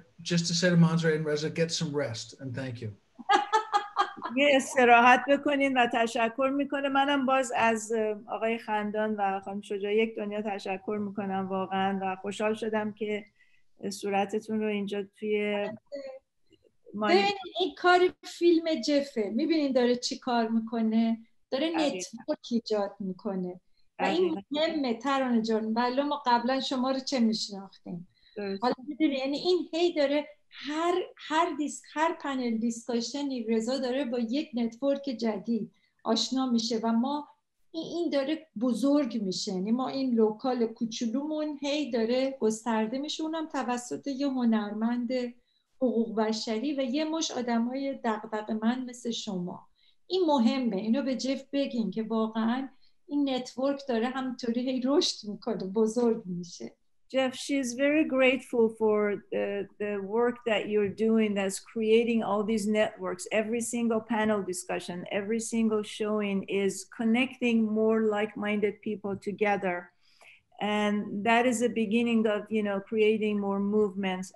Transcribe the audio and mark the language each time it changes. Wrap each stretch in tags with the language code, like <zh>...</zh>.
<en>just to say to Mansoureh and Reza, get some rest and thank you.</en> <fa>Yes, استراحت بکنین و تشکر میکنم. منم باز از آقای خندان و خانم شجاعی یک دنیا تشکر میکنم واقعا و خوشحال شدم که صورتتون رو اینجا توی ببینید این کار فیلم جفه. میبینین داره چی کار میکنه؟ داره نتورک ایجاد میکنه. و این مهمه ترانه جان بله ما قبلا شما رو چه میشناختیم حالا میدونی یعنی این هی داره هر دیسک هر پنل دیسکشنی رضا داره با یک نتورک جدید آشنا میشه و ما این داره بزرگ میشه یعنی ما این لوکال کوچولومون هی داره گسترده میشه اونم توسط یه هنرمند حقوق بشری و یه مش آدم های دغدغه من مثل شما این مهمه اینو به جف بگین که واقعا این نتورک داره همطوری هی رشد میکنه بزرگ میشه</fa> <en>Jeff, she's very grateful for the work that you're doing that's creating all these networks. Every single panel discussion, every single showing is connecting more like-minded people together. And that is the beginning of, you know, creating more movements.</en>